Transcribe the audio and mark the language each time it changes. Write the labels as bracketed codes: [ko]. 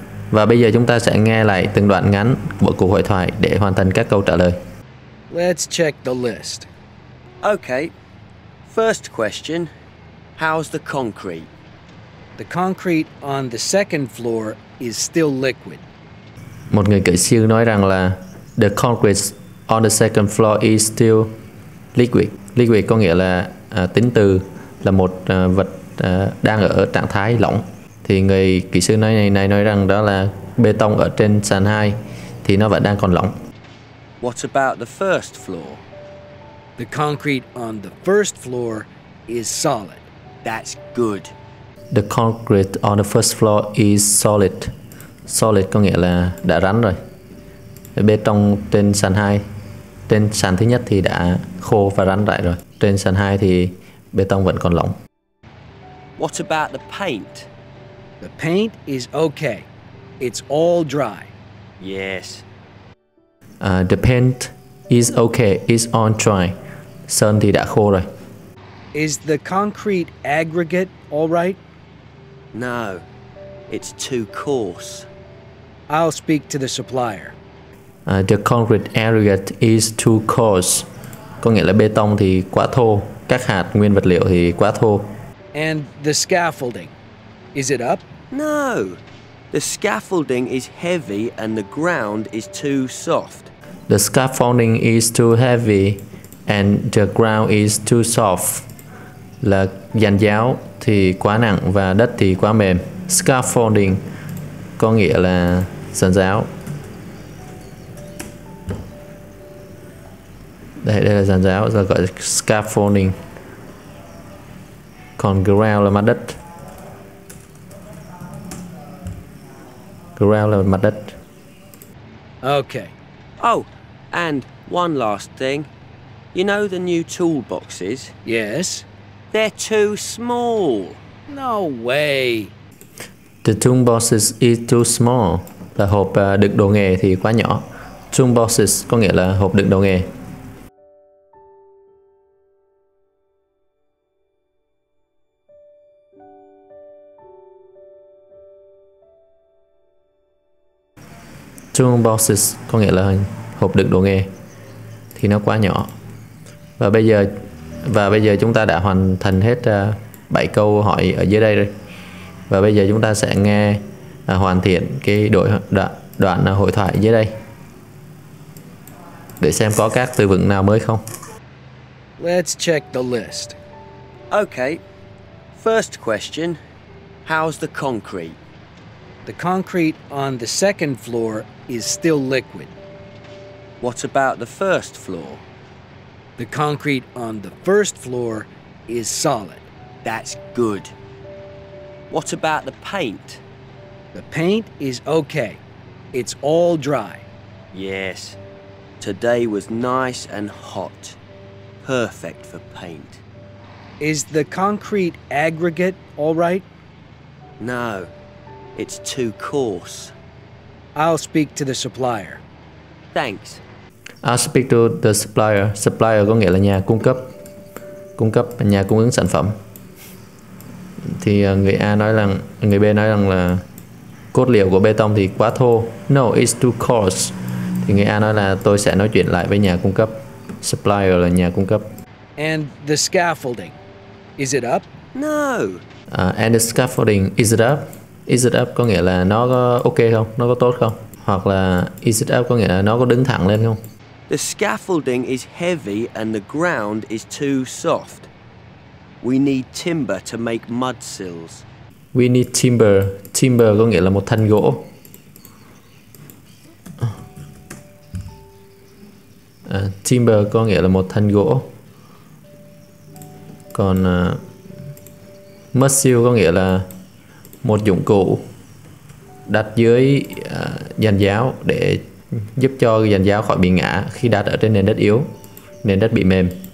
[vi] Và bây giờ chúng ta sẽ nghe lại từng đoạn ngắn của cuộc hội thoại để hoàn thành các câu trả lời. [en] Let's check the list. Okay. First question, how's the concrete? The concrete on the second floor is still liquid. [vi] Một người kỹ sư nói rằng là [en] the concrete on the second floor is still liquid. [vi] Liquid có nghĩa là tính từ là một vật đang ở trạng thái lỏng. Thì người kỹ sư nói này nói rằng đó là bê tông ở trên sàn 2 thì nó vẫn đang còn lỏng. [en] What about the first floor? The concrete on the first floor is solid. That's good. The concrete on the first floor is solid. [vi] Solid có nghĩa là đã rắn rồi. Bê tông trên sàn 2, trên sàn thứ nhất thì đã khô và rắn rại rồi. Trên sàn 2 thì bê tông vẫn còn lỏng. [en] What about the paint? The paint is okay. It's all dry. Yes. The paint is okay. It's all dry. [vi] Sơn thì đã khô rồi. [en] Is the concrete aggregate all right? No. It's too coarse. I'll speak to the supplier. The concrete aggregate is too coarse. [vi] Có nghĩa là bê tông thì quá thô. Các hạt nguyên vật liệu thì quá thô. [en] And the scaffolding. Is it up? No. The scaffolding is heavy and the ground is too soft. The scaffolding is too heavy and the ground is too soft. [vi] Là dàn giáo thì quá nặng và đất thì quá mềm. Scaffolding có nghĩa là dàn giáo. Đây là dàn giáo, giờ gọi là scaffolding. Còn ground là mặt đất. Ground level mặt đất. [en] Okay. Oh, and one last thing. You know the new toolboxes? Yes. They're too small. No way. The toolboxes is too small. [vi] Là hộp đựng đồ nghề thì quá nhỏ. Toolboxes có nghĩa là hộp đựng đồ nghề. Toolboxes có nghĩa là hộp đựng đồ nghề thì nó quá nhỏ. Và bây giờ chúng ta đã hoàn thành hết 7 câu hỏi ở dưới đây rồi. Và bây giờ chúng ta sẽ nghe hoàn thiện cái đoạn hội thoại dưới đây để xem có các từ vựng nào mới không. [en] Let's check the list. Okay. First question, how's the concrete? The concrete on the second floor is still liquid. What about the first floor? The concrete on the first floor is solid. That's good. What about the paint? The paint is okay. It's all dry. Yes. Today was nice and hot. Perfect for paint. Is the concrete aggregate all right? No, it's too coarse. I'll speak to the supplier. Thanks. I'll speak to the supplier. [vi] Supplier có nghĩa là nhà cung cấp. Cung cấp, nhà cung ứng sản phẩm. Thì người A nói rằng, người B nói rằng là cốt liệu của bê tông thì quá thô. [en] No, it's too coarse. [vi] Thì người A nói là tôi sẽ nói chuyện lại với nhà cung cấp. Supplier là nhà cung cấp. [en] And the scaffolding, is it up? No. And the scaffolding, is it up? [vi] Is it up có nghĩa là nó có ok không? Nó có tốt không? Hoặc là is it up có nghĩa là nó có đứng thẳng lên không? [en] The scaffolding is heavy and the ground is too soft. We need timber to make mud sills. We need timber. [vi] Timber có nghĩa là một thanh gỗ. Timber có nghĩa là một thanh gỗ. Còn mud sill có nghĩa là một dụng cụ đặt dưới dàn giáo để giúp cho dàn giáo khỏi bị ngã khi đặt ở trên nền đất yếu, nền đất bị mềm.